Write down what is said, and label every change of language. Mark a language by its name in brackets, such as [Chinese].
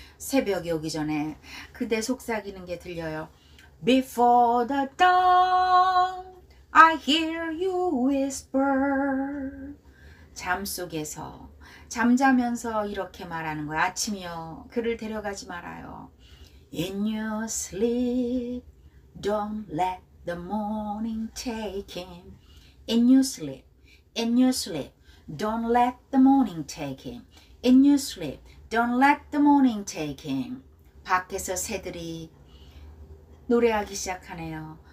[Korean] 새벽이 오기 전에 그대 속삭이는 게 들려요. [English] Before the dawn, I hear you whisper. [Korean] 잠 속에서, 잠자면서 이렇게 말하는 거예요. 아침이요, 그를 데려가지 말아요. [English] In your sleep, don't let the morning take him. In your sleep. Don't let the morning take him. In your sleep. Don't let the morning take him. [Korean] 밖에서 새들이 노래하기 시작하네요.